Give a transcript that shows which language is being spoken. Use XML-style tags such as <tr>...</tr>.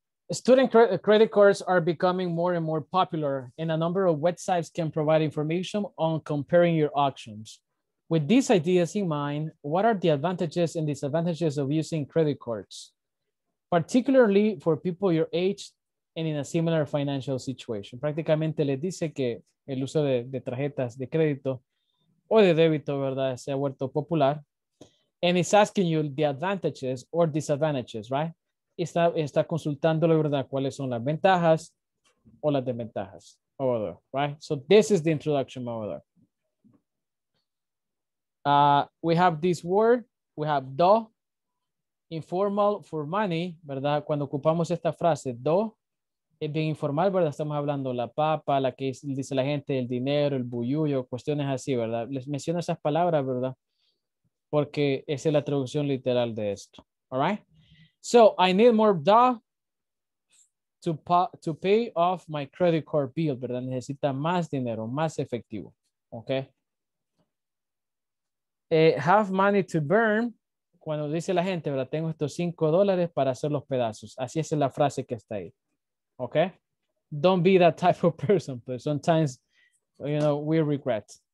<en>Student credit cards are becoming more and more popular, and a number of websites can provide information on comparing your options. With these ideas in mind, what are the advantages and disadvantages of using credit cards, particularly for people your age and in a similar financial situation?</en> <es>Prácticamente les dice que el uso de tarjetas de crédito o de débito, ¿verdad?, se ha vuelto popular.</es> <en>And it's asking you the advantages or disadvantages, right?</en> <es>Está consultándole, ¿verdad?, cuáles son las ventajas o las desventajas, over there, right?</es> <en>So this is the introduction, over there. We have this word, we have do, informal for money, ¿verdad?</en> <es>Cuando ocupamos esta frase, do, es bien informal, ¿verdad? Estamos hablando la papa, la que dice la gente, el dinero, el bullullo, cuestiones así, ¿verdad? Les menciono esas palabras, ¿verdad? Porque esa es la traducción literal de esto, all right?</es> <en>So, I need more do to pay off my credit card bill, ¿verdad?</en> <es>Necesita más dinero, más efectivo, okay?</es> <en>Have money to burn,</en> <es>cuando dice la gente, ¿verdad? Tengo estos $5 para hacer los pedazos. Así es la frase que está ahí. Okay?</es> <en>Don't be that type of person, but sometimes, you know, we regret.</en>